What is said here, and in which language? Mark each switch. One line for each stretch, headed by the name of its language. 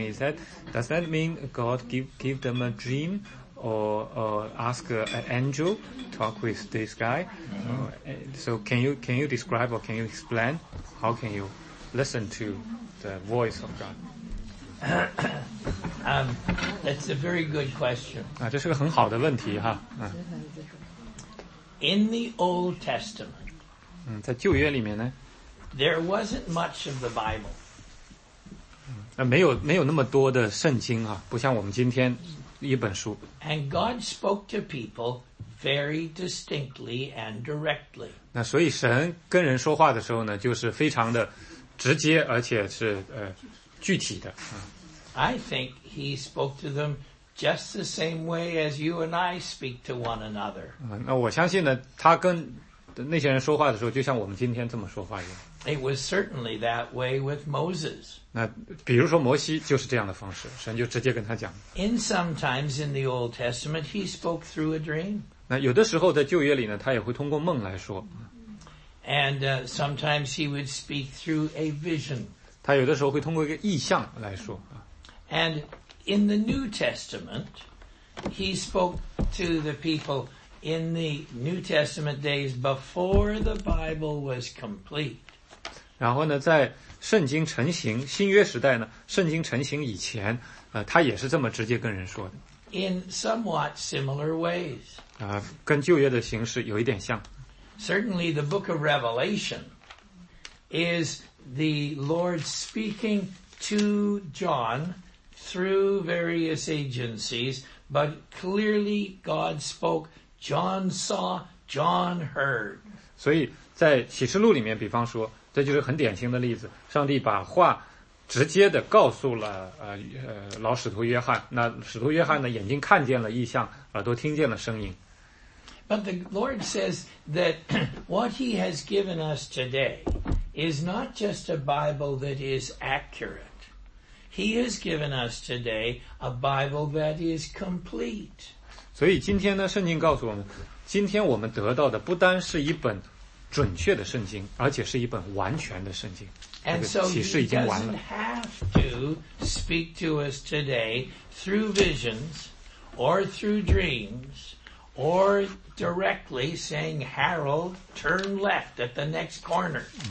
English: Is that, does that mean God give them a dream? Or ask an angel talk with this guy. So can you describe or can you explain how can you listen to the voice of God? That's a very good question.
Chinese: 啊，这是个很好的问题哈。
English: In the Old Testament.
Chinese: 在旧约里面呢。
English: There wasn't much of the Bible.
Chinese: 没有那么多的圣经啊，不像我们今天。一本书。
English: And God spoke to people very distinctly and directly.
Chinese: 那所以神跟人说话的时候呢，就是非常的直接，而且是具体的。
English: I think he spoke to them just the same way as you and I speak to one another.
Chinese: 那我相信呢，他跟那些人说话的时候，就像我们今天这么说话一样。
English: It was certainly that way with Moses.
Chinese: 那比如说摩西就是这样的方式，神就直接跟他讲。
English: In sometimes in the Old Testament, he spoke through a dream.
Chinese: 那有的时候在旧约里呢，他也会通过梦来说。
English: And sometimes he would speak through a vision.
Chinese: 他有的时候会通过一个意象来说。
English: And in the New Testament, he spoke to the people in the New Testament days before the Bible was complete.
Chinese: 然后呢，在圣经成型新约时代呢，圣经成型以前，他也是这么直接跟人说的。
English: In somewhat similar ways.
Chinese: 跟旧约的形式有一点像。
English: Certainly, the book of Revelation is the Lord speaking to John through various agencies, but clearly God spoke. John saw. John heard.
Chinese: 所以在启示录里面，比方说。这就是很典型的例子，上帝把话直接的告诉了老使徒约翰，那使徒约翰呢眼睛看见了异象，耳朵听见了声音。
English: But the Lord says that what he has given us today is not just a Bible that is accurate. He has given us today a Bible that is complete.
Chinese: 所以今天呢，圣经告诉我们，今天我们得到的不单是一本准确的圣经，而且是一本完全的圣经。
English: And so he doesn't have to speak to us today through visions or through dreams or directly saying, Harold, turn left at the next corner.